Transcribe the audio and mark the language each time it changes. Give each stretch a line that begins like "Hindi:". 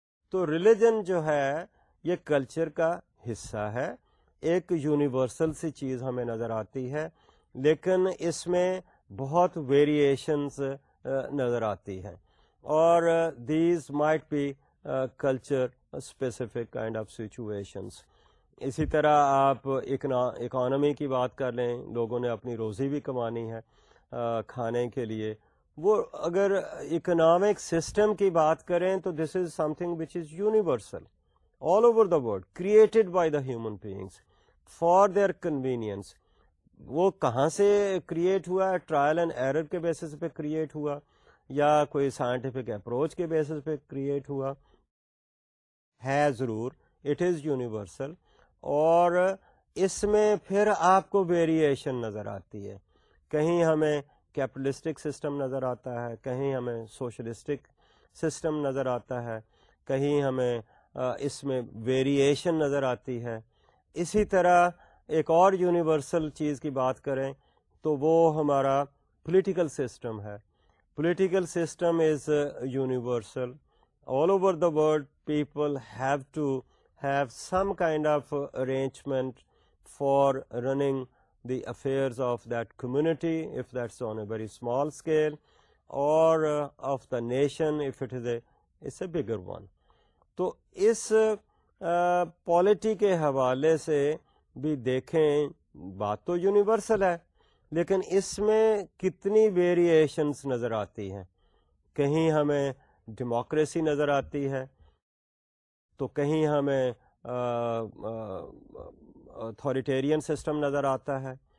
Urdu: تو ریلیجن جو ہے یہ کلچر کا حصہ ہے, ایک یونیورسل سی چیز ہمیں نظر آتی ہے, لیکن اس میں بہت ویریشنز نظر آتی ہیں, اور
English: These might be culture specific kind of situations.
Urdu: اسی طرح آپ اکانومی کی بات کر لیں, لوگوں نے اپنی روزی بھی کمانی ہے کھانے کے لیے. وہ اگر اکنامک سسٹم کی بات کریں تو
English: This is something which is universal all over the world, created by the human beings for their convenience.
Urdu: وہ کہاں سے کریٹ ہوا ہے؟ ٹرائل اینڈ ایرر کے بیسس پہ کریٹ ہوا, یا کوئی سائنٹیفک اپروچ کے بیسس پہ کریٹ ہوا؟ ہے ضرور,
English: it is universal,
Urdu: اور اس میں پھر آپ کو ویریشن نظر آتی ہے. کہیں ہمیں کیپٹلسٹک سسٹم نظر آتا ہے, کہیں ہمیں سوشلسٹک سسٹم نظر آتا ہے, کہیں ہمیں اس میں ویریشن نظر آتی ہے. اسی طرح ایک اور یونیورسل چیز کی بات کریں تو وہ ہمارا پولیٹیکل سسٹم ہے.
English: Political system is universal, all over the world, people have to have some kind of arrangement for running the affairs of that community, if that's on a very small scale, or of the nation, if it is it's a bigger one.
Urdu: تو اس پالیٹی کے حوالے سے بھی دیکھیں, بات تو universal ہے لیکن اس میں کتنی ویریشنس نظر آتی ہیں. کہیں ہمیں ڈیموکریسی نظر آتی ہے تو کہیں ہمیں اتھارٹیرین سسٹم نظر آتا ہے.